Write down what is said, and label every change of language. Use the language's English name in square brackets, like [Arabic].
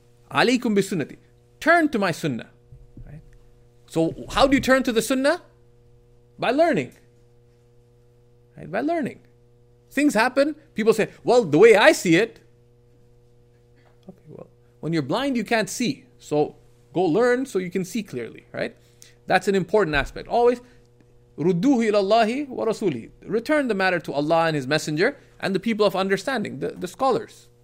[Arabic] Alaykum bi sunnati. [English] Turn to my sunnah. Right? So how do you turn to the sunnah? By learning. Right? By learning. Things happen. People say, well, the way I see it. Okay, well, when you're blind, you can't see. So go learn so you can see clearly, right? That's an important aspect. Always, [Arabic] رُدُّوهُ إِلَى اللَّهِ وَرَسُولِهِ. [English] Return the matter to Allah and His Messenger and the people of understanding, the scholars.